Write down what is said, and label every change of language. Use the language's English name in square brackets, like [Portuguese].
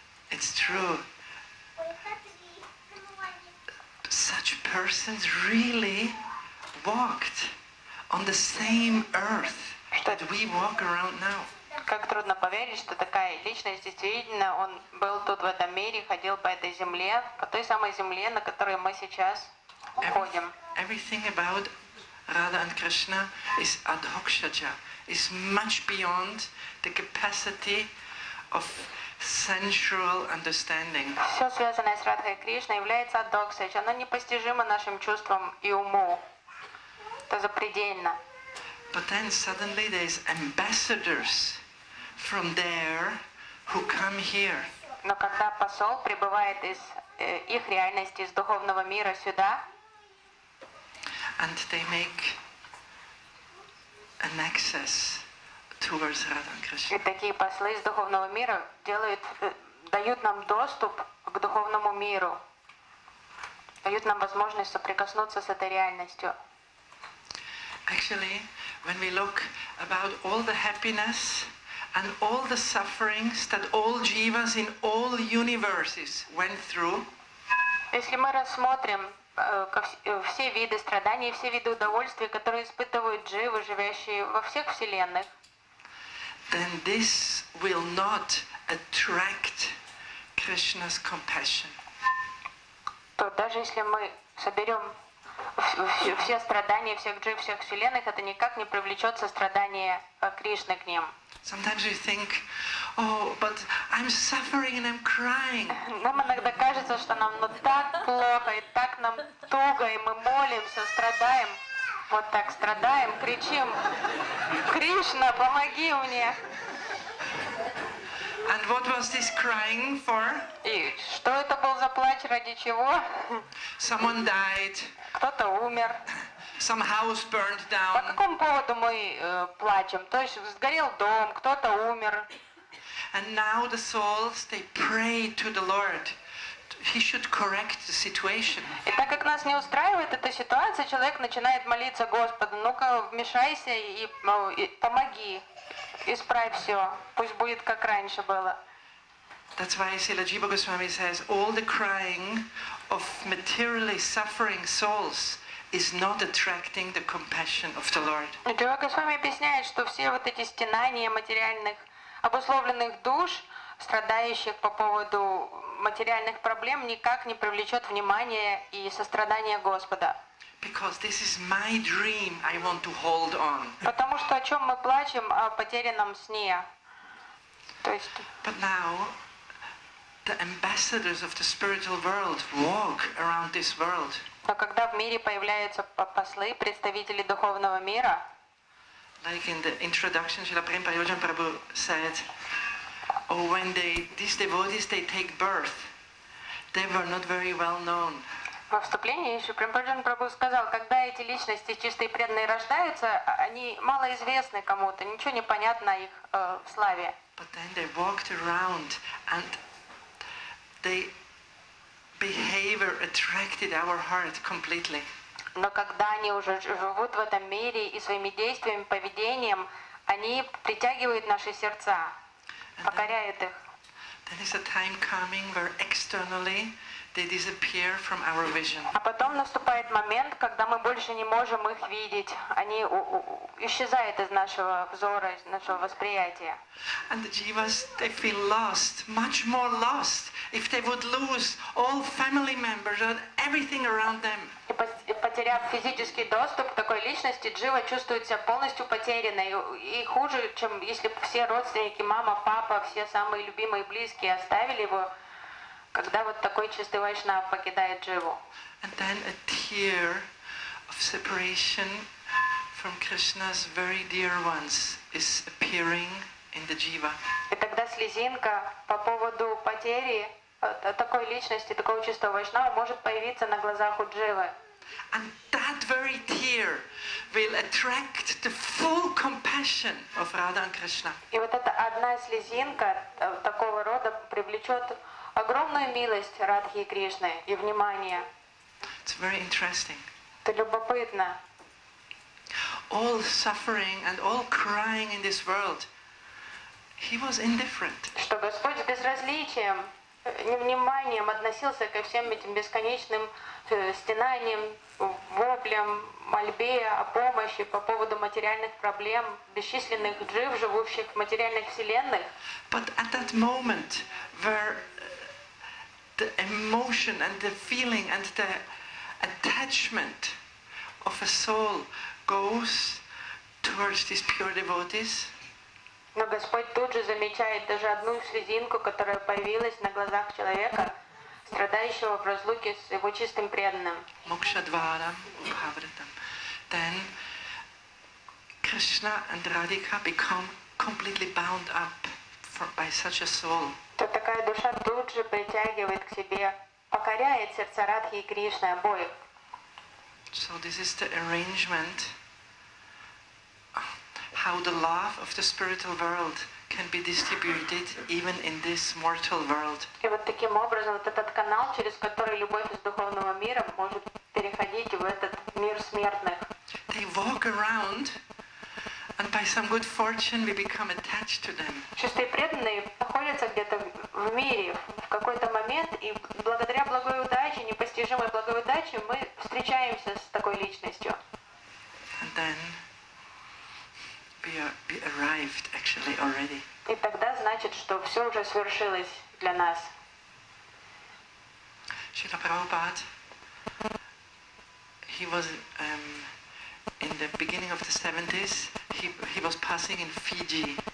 [English] It's true. Such persons really walked on the same earth that we walk around now. [Russian] Как трудно поверить, что такая личность действительно, он был тут в этом мире, ходил по этой земле, по той самой земле, на которой мы сейчас ходим. [English] Everything about Radha and Krishna is adhokshaja, is much beyond the capacity of sensual understanding. [Russian] Все связанное с Радхой и Кришной является адхокшаджа. Оно непостижимо нашим чувствам и уму. Это запредельно. [English] But then suddenly there is ambassadors from there who come here. [Russian] Но когда посол прибывает из их реальности, из духовного мира сюда, [English] and they make an access towards Radha and Krishna. [Russian] И такие послы из духовного мира делают, дают нам доступ к духовному миру, дают нам возможность соприкоснуться с этой реальностью. [English] Actually, when we look about all the happiness and all the sufferings that all jivas in all universes went through. [Russian] Если мы рассмотрим все виды страданий, все виды удовольствия, которые испытывают дживы, живящие во всех вселенных, [English] then this will not attract Krishna's compassion. [Russian] То даже если мы соберем все страдания всех джив, всех вселенных, это никак не привлечет сострадание Кришны к ним. [English] Sometimes you think, oh, but I'm suffering and I'm crying. [Russian] Нам иногда кажется, что нам так плохо и так нам туго, и мы молимся, страдаем. Вот так страдаем, кричим: Кришна, помоги мне. [English] And what was this crying for? [Russian] И что это был за плач, ради чего? [English] Someone died. [Russian] Кто-то умер. [English] Some house burned down. [Russian] По какому поводу мы плачем? То есть сгорел дом, кто-то умер. [English] And now the souls, they pray to the Lord. He should correct the situation. [Russian] И так как нас не устраивает эта ситуация, человек начинает молиться Господу: ну-ка, вмешайся и помоги. Исправь все. Пусть будет, как раньше было. [English] That's why Srila Jiva Goswami says, all the crying of materially suffering souls is not attracting the compassion of the Lord. [Russian] Jiva Goswami объясняет, что все вот эти стенания материальных обусловленных душ, страдающих по поводу материальных проблем, никак не привлечет внимание и сострадание Господа. [English] Because this is my dream, I want to hold on. [Russian] Потому что о чем мы плачем, о потерянном сне. То есть. [English] But now, the ambassadors of the spiritual world walk around this world. [Russian] Но когда в мире появляются послы, представители духовного мира. [English] Like in the introduction, Srila Prabhupada Yojan Prabhu said, oh, when these devotees they take birth, they were not very well known. [Russian] Во вступлении еще Прембоджан Прабху сказал, когда эти личности чистые и преданные рождаются, они мало известны кому-то, ничего не понятно о их славе. [English] But then they walked around and their behavior attracted our heart completely. [Russian] Но когда они уже живут в этом мире и своими действиями, поведением, они притягивают наши сердца, and покоряют [English] then, [Russian] их. [English] Then is a time coming where externally they disappear from our vision. [Russian] А потом наступает момент, когда мы больше не можем их видеть. Они исчезают из нашего взора, из нашего восприятия. [English] And the jivas, they feel lost, much more lost, if they would lose all family members and everything around them. [Russian] И потеряв физический доступ к такой личности, джива чувствует себя полностью потерянной и хуже, чем если бы все родственники, мама, папа, все самые любимые, близкие оставили его. Когда вот такой чистый вайшнав покидает дживу. [English] And then a tear of separation from Krishna's very dear ones is appearing in the jiva. [Russian] И тогда слезинка по поводу потери такой личности, такого чистого вайшнава может появиться на глазах у дживы. [English] And that very tear will attract the full compassion of Radha and Krishna. [Russian] И вот эта одна слезинка такого рода привлечет огромную милость Радхи и Кришны и внимание. [English] It's very interesting. [Russian] Это любопытно. [English] All suffering and all crying in this world, he was indifferent. [Russian] Что Господь с безразличием, невниманием относился ко всем этим бесконечным стенаниям, воплям, мольбе о помощи по поводу материальных проблем, бесчисленных джив, живущих в материальных вселенных. [English] But at that moment, where the emotion and the feeling and the attachment of a soul goes towards these pure devotees. [Russian] Но Господь тут же замечает даже одну слезинку, которая появилась на глазах человека, страдающего в разлуке с его чистым преданным. Мокшадвара, Бхавратам. [English] Then Krishna and Radhika become completely bound up by such a soul. [Russian] То такая душа тут же притягивает к себе, покоряет сердца Радхи и Кришны обоих. [English] So this is the arrangement how the love of the spiritual world can be distributed even in this mortal world. [Russian] И вот таким образом вот этот канал, через который любовь из духовного мира может переходить в этот мир смертных. [English] They walk around. And by some good fortune, we become attached to them. [Russian] Чистые преданные находятся где-то в мире в какой-то момент, и благодаря благой удаче, непостижимой благой удаче, мы встречаемся с такой личностью. [English] And then we arrived actually already. [Russian] И тогда значит, что все уже свершилось для нас. [English] Srila Prabhupad, he was in the beginning of the 70s, he was passing in Fiji.